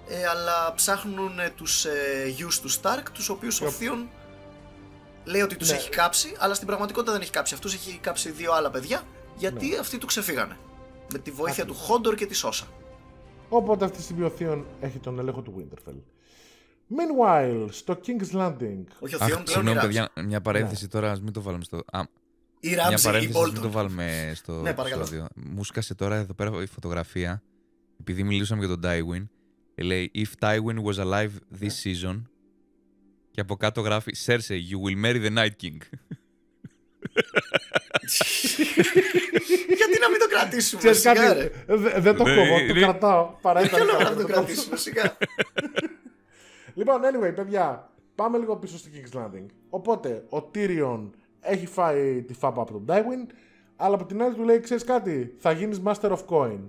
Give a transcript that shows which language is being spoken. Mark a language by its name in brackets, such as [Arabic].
[Greek] Αλλά ψάχνουν τους γιους του Stark, τους οποίους ο Θείον. Λέει ότι τους έχει κάψει, αλλά στην πραγματικότητα δεν έχει κάψει αυτούς, έχει κάψει δύο άλλα παιδιά, γιατί αυτοί του ξεφύγανε. Με τη βοήθεια του Χόντορ και τη Σόσα. Οπότε αυτή τη στιγμή ο Θείον έχει τον έλεγχο του Winterfell. Meanwhile, στο King's Landing. Όχι, ο Θείον πλέον είναι παιδιά, μια παρένθεση τώρα, ας μην το βάλουμε στο. Η Ramsey, μια παρένθεση, η Bolton. Μην το βάλουμε στο. Ναι, παρακαλώ. Μου σκάσε τώρα εδώ πέρα η φωτογραφία, επειδή μιλούσαμε για τον Tywin. Λέει, [English] if Tywin was alive this season. [Greek] Και από κάτω γράφει [English] «Cersei, you will marry the Night King». [Greek] Γιατί να μην το κρατήσουμε, ξέρεις σιγά, κάτι, δεν το κόβω, το κρατάω. Παράδειγμα να το κρατήσουμε, σιγά. Λοιπόν, anyway, παιδιά, πάμε λίγο πίσω στο King's Landing. Οπότε, ο Tyrion έχει φάει τη φάπα από τον Tywin, αλλά από την άλλη του λέει, ξέρεις κάτι, θα γίνεις Master of Coin.